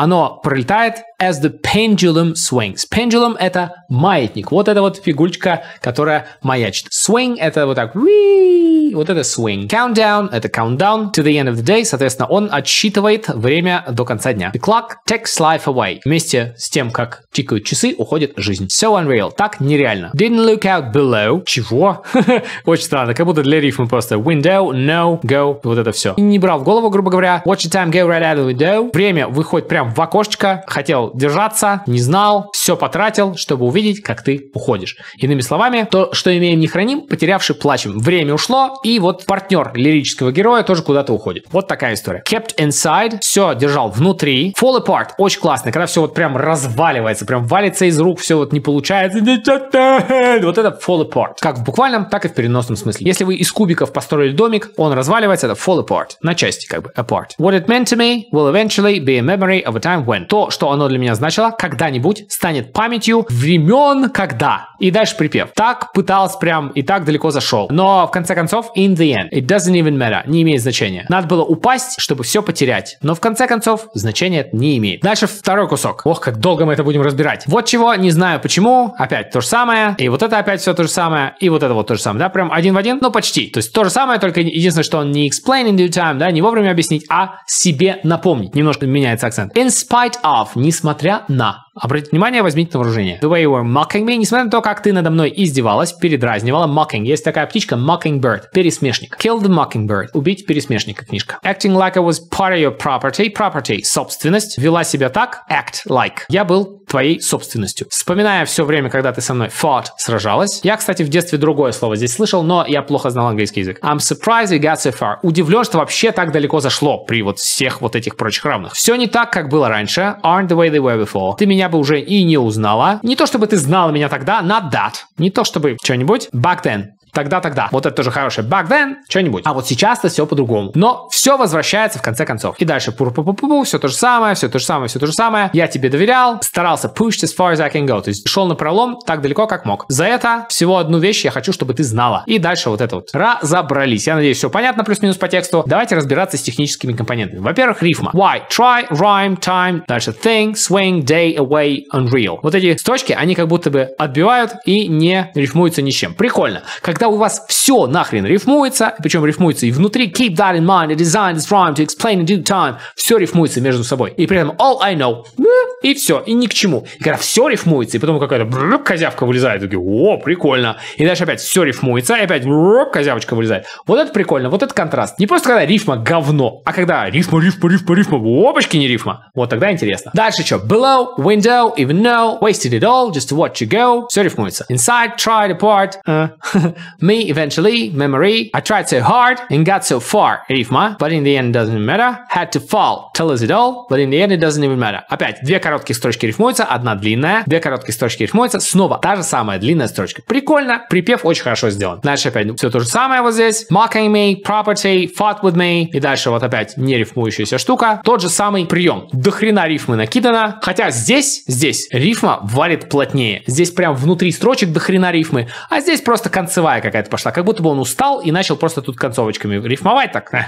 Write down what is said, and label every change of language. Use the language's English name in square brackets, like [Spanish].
[Russian] Оно пролетает [English] as the pendulum swings. [Russian] Pendulum — это маятник. Вот эта вот фигулька, которая маячит. Swing — это вот так. Вот это swing. [English] Countdown — это countdown to the end of the day. [Russian] Соответственно, он отсчитывает время до конца дня. [English] The clock takes life away. [Russian] Вместе с тем, как тикают часы, уходит жизнь. [English] So unreal. [Russian] Так нереально. [English] Didn't look out below. [Russian] Чего? Очень странно. Как будто для рифма просто [English] window, no, go. [Russian] Вот это все. Не брал в голову, грубо говоря. [English] Watch the time go right out of the window. [Russian] Время выходит прям в окошечко. Хотел держаться, не знал, все потратил, чтобы увидеть, как ты уходишь. Иными словами, то, что имеем, не храним, потерявши, плачем. Время ушло, и вот партнер лирического героя тоже куда-то уходит. Вот такая история. [English] Kept inside, [Russian] все держал внутри. [English] Fall apart, [Russian] очень классно, когда все вот прям разваливается, прям валится из рук, все вот не получается. Вот это fall apart. Как в буквальном, так и в переносном смысле. Если вы из кубиков построили домик, он разваливается, это fall apart. На части как бы apart. [English] What it meant to me will eventually be a memory of a time when. [Russian] То, что оно для меня значило, когда-нибудь станет памятью времен когда. И дальше припев. Так пытался прям и так далеко зашел. Но в конце концов, [English] in the end, it doesn't even matter. [Russian] Не имеет значения. Надо было упасть, чтобы все потерять. Но в конце концов, значения это не имеет. Дальше второй кусок. Ох, как долго мы это будем разбирать. Вот чего, не знаю почему. Опять то же самое. И вот это опять все то же самое. И вот это вот то же самое. Да, прям один в один, но почти. То есть то же самое, только единственное, что он не [English] explain in due time, [Russian] да, не вовремя объяснить, а себе напомнить. Немножко меняется акцент. [English] In spite of, [Russian] несмотря на. Обратите внимание, возьмите на вооружение. [English] The way you were mocking me. [Russian] Несмотря на то, как ты надо мной издевалась, передразнивала. Mocking. Есть такая птичка. Mockingbird. Пересмешник. [English] Kill the mockingbird. [Russian] Убить пересмешника. Книжка. [English] Acting like I was part of your property. [Russian] Property. Собственность. Вела себя так. Act like. Я был твоей собственностью. Вспоминая все время, когда ты со мной fought, сражалась. Я, кстати, в детстве другое слово здесь слышал, но я плохо знал английский язык. [English] I'm surprised you got so far. [Russian] Удивлен, что вообще так далеко зашло при вот всех вот этих прочих равных. Все не так, как было раньше. [English] Aren't the way they were before. [Russian] Ты меня бы уже и не узнала. Не то, чтобы ты знала меня тогда. [English] Not that. [Russian] Не то, чтобы что-нибудь. [English] Back then. [Russian] Тогда-тогда. Вот это тоже хорошее. [English] Back then, [Russian] что-нибудь. А вот сейчас-то все по-другому. Но все возвращается в конце концов. И дальше. Пу-пу-пу-пу-пу. Все то же самое, все то же самое, все то же самое. Я тебе доверял. Старался. [English] Pushed as far as I can go. [Russian] То есть шел на пролом так далеко, как мог. За это всего одну вещь я хочу, чтобы ты знала. И дальше вот это вот. Разобрались. Я надеюсь, все понятно плюс-минус по тексту. Давайте разбираться с техническими компонентами. Во-первых, рифма. [English] Why? Try, rhyme, time. [Russian] Дальше. [English] Thing, swing, day, away, unreal. [Russian] Вот эти строчки, они как будто бы отбивают и не рифмуются ни с чем. Прикольно. Когда у вас все нахрен рифмуется, причем рифмуется и внутри, [English] keep that in mind, I designed this rhyme to explain in due time, [Russian] все рифмуется между собой. И при этом [English] all I know, [Russian] и все, и ни к чему. И когда все рифмуется, и потом какая-то козявка вылезает, такие, о, прикольно. И дальше опять все рифмуется, и опять козявочка вылезает. Вот это прикольно, вот это контраст. Не просто когда рифма говно, а когда рифма, рифма, рифма, рифма, опачки не рифма. Вот тогда интересно. Дальше что? [English] Below, window, even now, wasted it all, just to watch you go. [Russian] Все рифмуется. [English] Inside, tried apart. Me, eventually, memory. I tried so hard and got so far. [Russian] Рифма. [English] But in the end, it doesn't matter. Had to fall. Tell us it all. But in the end, it doesn't even matter. [Russian] Опять. Две короткие строчки рифмуются, одна длинная. Две короткие строчки рифмуются. Снова та же самая длинная строчка. Прикольно. Припев очень хорошо сделан. Дальше опять. Все то же самое вот здесь. [English] Mocking me, property, fought with me. [Russian] И дальше вот опять нерифмующаяся штука. Тот же самый прием. До хрена рифмы накидано. Хотя здесь рифма валит плотнее. Здесь прям внутри строчек до хрена рифмы. А здесь просто концевая. вторая какая-то пошла. Как будто бы он устал и начал просто тут концовочками рифмовать так.